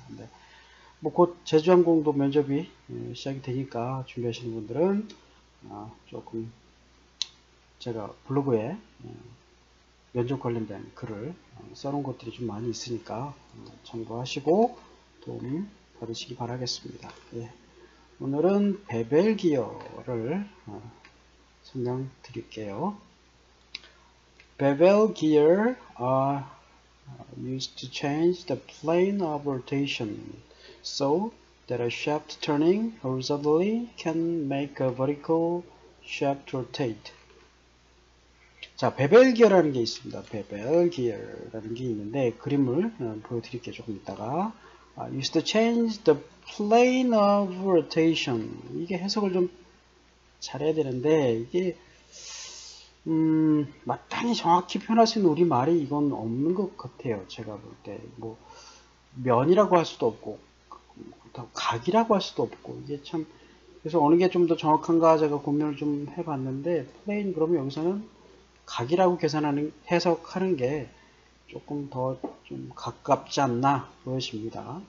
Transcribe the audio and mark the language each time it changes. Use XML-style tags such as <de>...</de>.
<ko>근데 뭐곧 제주항공도 면접이 시작이 되니까 준비하시는 분들은 조금 제가 블로그에 면접 관련된 글을 써놓은 것들이 좀 많이 있으니까 참고하시고 도움 받으시기 바라겠습니다. 예. 오늘은 베벨기어를 설명 드릴게요.</ko> <en>Bevel gear are used to change the plane of rotation so that a shaft turning horizontally can make a vertical shaft rotate.</en> <ko>자, 베벨 기어라는 게 있습니다. 베벨 기어라는 게 있는데 그림을 보여드릴게요. 조금 있다가.</ko> <en>Used to change the plane of rotation.</en> <ko>이게 해석을 좀 잘해야 되는데 이게 마땅히 정확히 표현할 수 있는 우리말이 이건 없는 것 같아요. 제가 볼 때. 뭐, 면이라고 할 수도 없고, 각이라고 할 수도 없고, 이게 참, 그래서 어느 게좀더 정확한가 제가 고민을 좀 해봤는데, 플레인, 그러면 여기서는 각이라고 계산하는, 해석하는 게 조금 더좀 가깝지 않나 보여집니다.</ko>